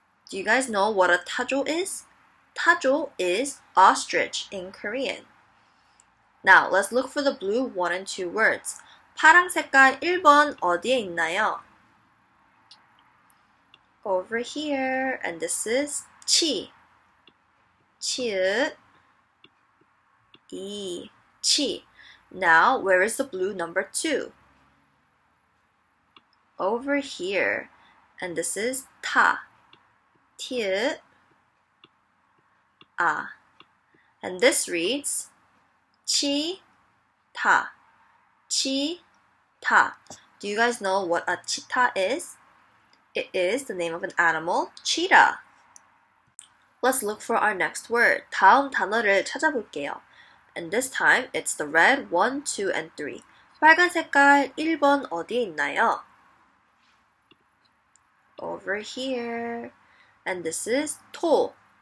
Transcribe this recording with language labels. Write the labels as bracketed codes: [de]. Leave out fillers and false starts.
[en] Do you guys know what a 타조 is? 타조 is ostrich in Korean. Now, let's look for the blue 1 and 2 words. [ko] 파랑 색깔 1번 어디에 있나요? [en] Over here. And this is 치. 치읓 이 치. Now, where is the blue number 2? Over here. And this is 타. 티읕 아. And this reads 치 타. [ko] 치 타. [en] Do you guys know what a 치타 is? It is the name of an animal, cheetah. Let's look for our next word. [ko] 다음 단어를 찾아볼게요. [en] And this time, it's the red 1, 2, and 3. [ko] 빨간 색깔 1번 어디에 있나요? [en] Over here. And this is 토.